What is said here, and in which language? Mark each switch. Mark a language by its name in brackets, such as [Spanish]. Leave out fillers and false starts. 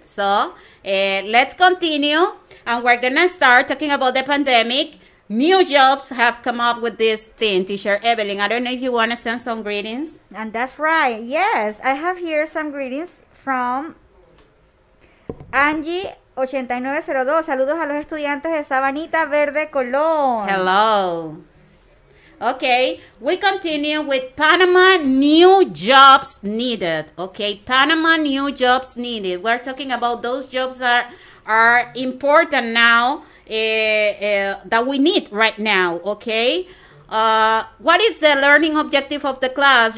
[English] So let's continue, and we're gonna start talking about the pandemic. New jobs have come up with this thing. Teacher Evelyn, I don't know if you want to send some greetings. And that's right, yes, I have here some greetings from Angie 8902. [Spanish] Saludos a los estudiantes de Sabanita Verde, Colón. [English] Hello. Okay, we continue with Panama new jobs needed. Okay, Panama new jobs needed. We're talking about those jobs that are important now, that we need right now. Okay, what is the learning objective of the class?